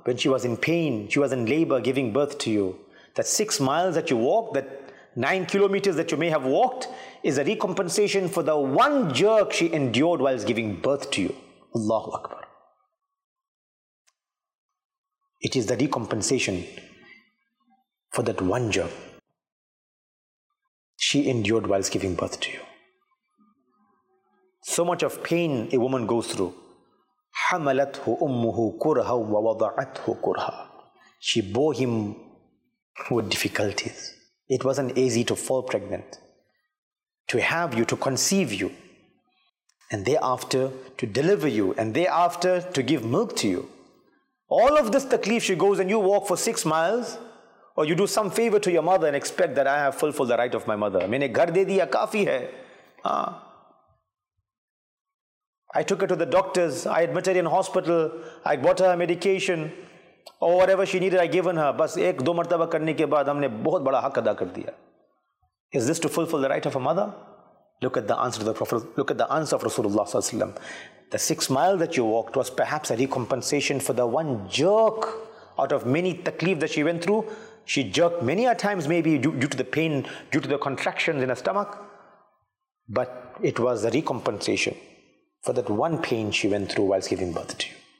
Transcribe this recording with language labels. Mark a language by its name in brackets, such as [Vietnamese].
[English] When she was in pain, she was in labor giving birth to you, that 6 miles that you walked, that 9 kilometers that you may have walked, is a recompensation for the one jerk she endured whilst giving birth to you. Allahu Akbar. It is the recompensation for that one jerk she endured whilst giving birth to you. So much of pain a woman goes through. [Arabic] حَمَلَتْهُ أُمُّهُ كُرْهًا وَوَضَعَتْهُ كُرْهًا. [English] She bore him with difficulties. It wasn't easy to fall pregnant, to have you, to conceive you, and thereafter to deliver you, and thereafter to give milk to you. All of this taklif she goes and you walk for 6 miles, or you do some favor to your mother and expect that I have fulfilled the right of my mother. [Urdu] Maine ghar de diya, kafi hai. [English] I took her to the doctors, I admitted her in hospital, I bought her medication, [Urdu] اور what ever she needed I given ہر, بس ایک دو مرتبہ کرنے کے بعد ہم نے بہت بڑا حق ادا کر دیا. [English] Is this to fulfil the right of a mother? Look at the answer of the Prophet, look at the answer of رسول اللہ صلی اللہ علیہ وسلم. The 6 miles that you walked was perhaps a recompensation for the one jerk out of many takleef that she went through. She jerked many a times, maybe due to the pain, due to the contractions in her stomach. But it was a recompensation for that one pain she went through whilst giving birth to you.